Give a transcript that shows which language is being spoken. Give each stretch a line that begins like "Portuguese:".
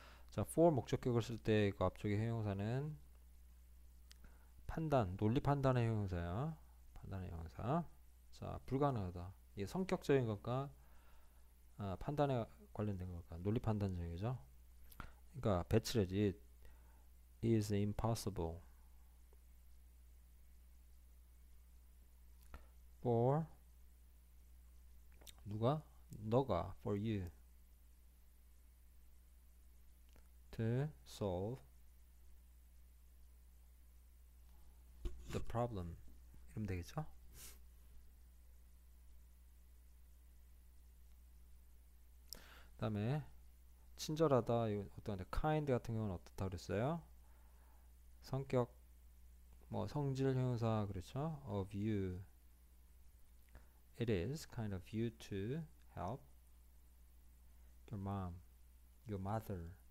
Korean: 자, for 목적격을 쓸때그 앞쪽에 형용사는 판단, 논리 판단의 형용사야. 판단의 형용사. 자, 불가능하다. 이게 성격적인 것과 판단에 관련된 것과 논리 판단적이죠. 그러니까 배치를
English: it is impossible for
Korean: 누가? 너가
English: for you to solve the problem
Korean: 이러면 되겠죠? 그다음에 친절하다 이거 어떤데 kind 같은 경우는 어떻다 그랬어요? 성격 뭐 성질 형용사 그렇죠?
English: of you it is kind of you to help your mom, your mother.